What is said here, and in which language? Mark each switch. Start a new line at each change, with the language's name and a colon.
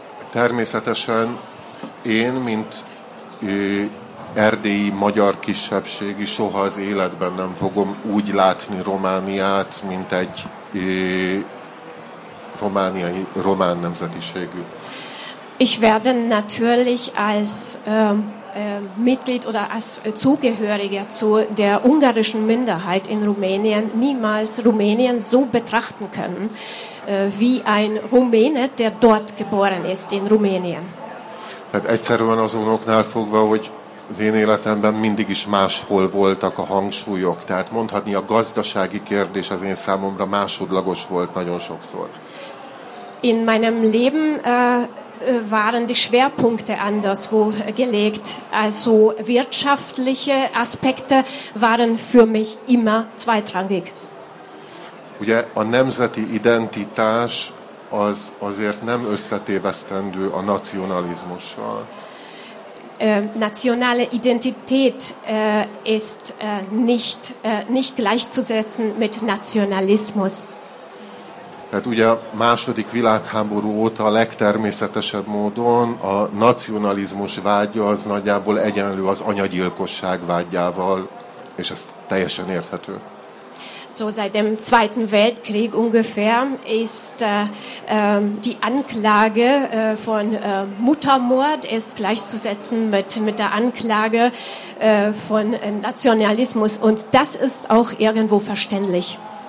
Hungarian: Természetesen én, mint erdélyi magyar kisebbségi, soha az életben nem fogom úgy látni Romániát, mint egy romániai, román nemzetiségű.
German: Ich werde natürlich als Mitglied oder als Zugehöriger zu der ungarischen Minderheit in Rumänien niemals Rumänien so betrachten können wie ein Rumäne, der dort geboren ist in Rumänien.
Hungarian: Tehát egyszerűen azonoknál fogva, hogy az én életemben mindig is máshol voltak a hangsúlyok. Tehát mondhatni, a gazdasági kérdés az én számomra másodlagos volt nagyon sokszor.
German: In meinem Leben waren die Schwerpunkte anderswo gelegt. Also wirtschaftliche Aspekte waren für mich immer zweitrangig.
Hungarian: Ugye a nemzeti identitás az azért nem összetévesztendő a nacionalizmussal.
German: Nationale Identität ist nicht gleichzusetzen mit Nationalismus.
Hungarian: Tehát ugye a második világháború óta a legtermészetesebb módon a nacionalizmus vágya az nagyjából egyenlő az anyagyilkosság vágyával, és ez teljesen érthető.
German: So seit dem Zweiten Weltkrieg ungefähr ist die Anklage von Muttermord ist gleichzusetzen mit der Anklage von Nationalismus, und das ist auch irgendwo verständlich.